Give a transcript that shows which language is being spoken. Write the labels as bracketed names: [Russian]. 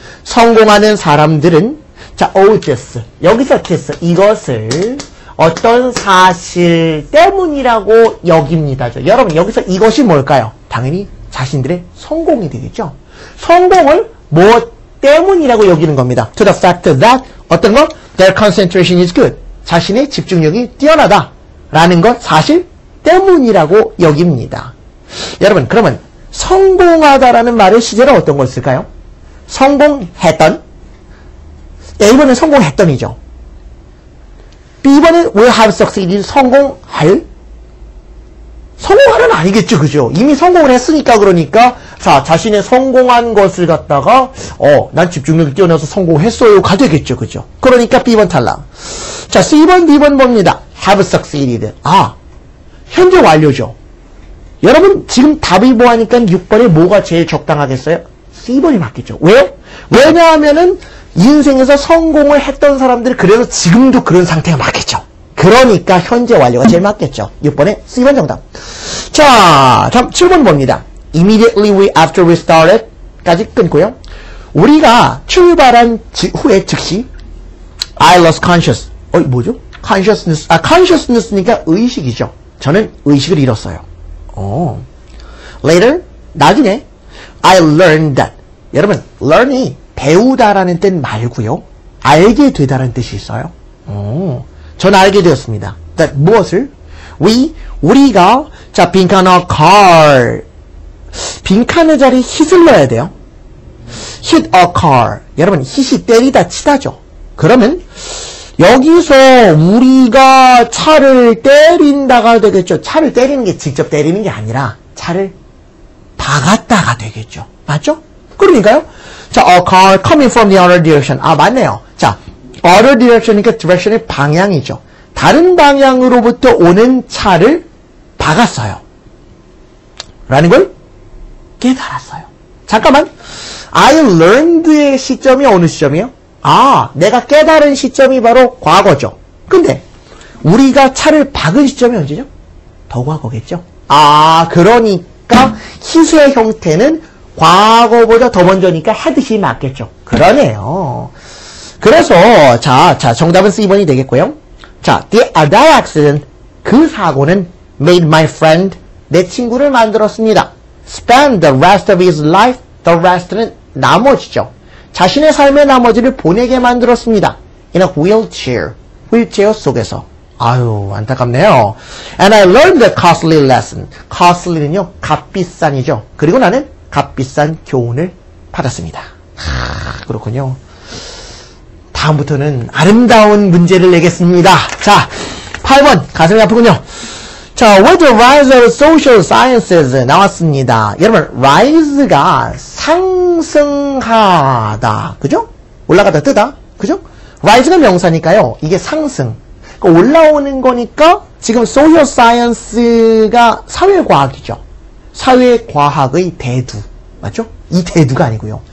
[Korean] 성공하는 사람들은 자 [English] all this [Korean] 여기서 this 이것을 어떤 사실 때문이라고 여깁니다. 여러분 여기서 이것이 뭘까요? 당연히 자신들의 성공이 되겠죠. 성공을 무엇 때문이라고 여기는 겁니다. [English] To the fact that [Korean] 어떤 거? [English] Their concentration is good. [Korean] 자신의 집중력이 뛰어나다 라는 것 사실 때문이라고 여깁니다. 여러분 그러면 성공하다라는 말의 시제로 어떤 걸 쓸까요? 성공했던 A번은 성공했던이죠. B번은 [English] will have succeeded [Korean] 성공할 성공하는 아니겠죠, 그죠? 이미 성공을 했으니까 그러니까 자 자신의 성공한 것을 갖다가 난 집중력이 뛰어나서 성공했어요 가 되겠죠, 그죠? 그러니까 B번 탈락. 자 C번, D번 봅니다. [English] Have succeeded. [Korean] 아 현재 완료죠. 여러분 지금 답이 뭐하니까 6번에 뭐가 제일 적당하겠어요? C번이 맞겠죠. 왜? 왜냐하면은 인생에서 성공을 했던 사람들이 그래서 지금도 그런 상태가 맞겠죠. 그러니까 현재 완료가 제일 맞겠죠. 6번에 C번 정답. 자, 다음 7번 봅니다. [English] Immediately we after we started [Korean] 까지 끊고요. 우리가 출발한 후에 즉시 [English] I lost consciousness. [Korean] 뭐죠? Consciousness. 아, consciousness니까 의식이죠. 저는 의식을 잃었어요. 오. [English] Later, [Korean] 나중에 [English] I learned that. [Korean] 여러분, learn이 배우다라는 뜻 말고요. 알게 되다라는 뜻이 있어요. 오. 전 알게 되었습니다. That 무엇을? We, 우리가, 자, 빈칸 [English] of car. [Korean] 빈칸의 자리에 hit을 넣어야 돼요. [English] Hit a car. [Korean] 여러분, hit이 때리다, 치다죠. 그러면, 여기서 우리가 차를 때린다가 되겠죠. 차를 때리는 게 직접 때리는 게 아니라 차를 박았다가 되겠죠. 맞죠? 그러니까요. [English] 자, a car coming from the other direction. [Korean] 아, 맞네요. 자, [English] other direction [Korean] 이니까 direction의 방향이죠. 다른 방향으로부터 오는 차를 박았어요. 라는 걸 깨달았어요. 잠깐만. [English] I learned [Korean] 의 시점이 어느 시점이에요? 아, 내가 깨달은 시점이 바로 과거죠. 근데 우리가 차를 박은 시점이 언제죠? 더 과거겠죠. 아, 그러니까 희수의 형태는 과거보다 더 먼저니까 had이 맞겠죠. 그러네요. 그래서 자, 정답은 C번이 되겠고요. 자, [English] that accident, [Korean] 그 사고는 [English] made my friend, [Korean] 내 친구를 만들었습니다. [English] Spend the rest of his life, the rest는 [Korean] 나머지죠. 자신의 삶의 나머지를 보내게 만들었습니다. [English] In a wheelchair, [Korean] 휠체어 속에서. 아유, 안타깝네요. [English] And I learned a costly lesson. [Korean] Costly는요, 값비싼이죠. 그리고 나는 값비싼 교훈을 받았습니다. 하, 그렇군요. 다음부터는 아름다운 문제를 내겠습니다. 자, 8번. 가슴이 아프군요. [English] 자, with the rise of social sciences [Korean] 나왔습니다. 여러분, rise가 상승하다. 그죠? 올라가다, 뜨다. 그죠? rise가 명사니까요. 이게 상승. 그러니까 올라오는 거니까 지금 social science가 사회과학이죠. 사회과학의 대두. 맞죠? 이 대두가 아니고요.